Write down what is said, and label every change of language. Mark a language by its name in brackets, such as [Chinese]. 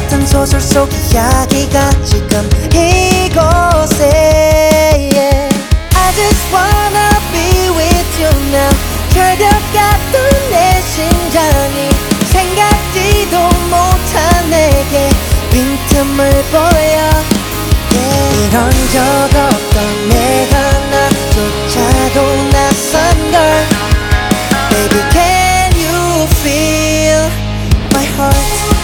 [Korean] 소설 속 이야기가 지금 이곳에. Yeah. [English] I just wanna be with you now. [Korean] 절벽 같은 내 심장이 생각지도 못한 내게 빈틈을 보여. Yeah. 이런 적 없던 내가 나조차도 낯선 걸. [English] Baby, can you feel my heart?